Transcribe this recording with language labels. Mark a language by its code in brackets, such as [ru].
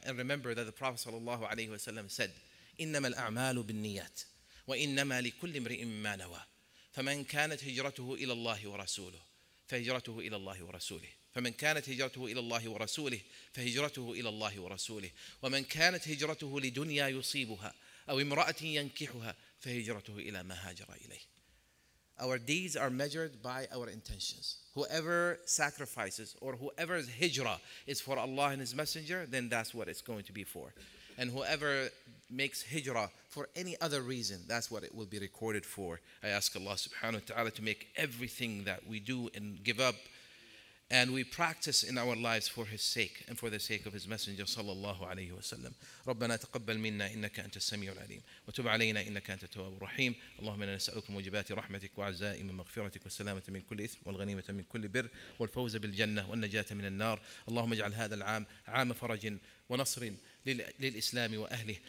[en] And remember that the Prophet sallallahu alayhi wa sallam said, [ar] إِنَّمَا الْأَعْمَالُ بِالنِّيَّاتِ وَإِنَّمَا لِكُلِّ امْرِئٍ مَّا نَوَى فَمَنْ كَانَتْ هِجْرَتُهُ إِلَى اللَّهِ وَرَسُولُهُ فَهِجْرَتُهُ إِلَى اللَّهِ وَرَسُولِهِ فمن كانت هجرته إلى الله ورسوله فهجرته إلى الله ورسوله ومن كانت هجرته لدنيا يصيبها أو امرأة ينكحها فهجرته إلى ما هاجر إليه. [en] Our deeds are measured by our intentions. Whoever sacrifices or whoever's hijrah is for Allah and His Messenger, then that's what it's going to be for. And whoever makes hijrah for any other reason, that's what it will be recorded for. I ask Allah subhanahu wa ta'ala to make everything that we do and give up and we practice in our lives for His sake and for the sake of His Messenger sallallahu alayhi wa sallam. [ar] ربنا تقبل منا إنك أنت السميع العليم وتب علينا إنك أنت التواب الرحيم. اللهم إنا نسألك موجبات رحمتك وعزائم مغفرتك والسلامة من كل إثم والغنيمة من كل بر والفوز بالجنة والنجاة من النار. اللهم اجعل هذا العام عام فرج ونصر للإسلام وأهله.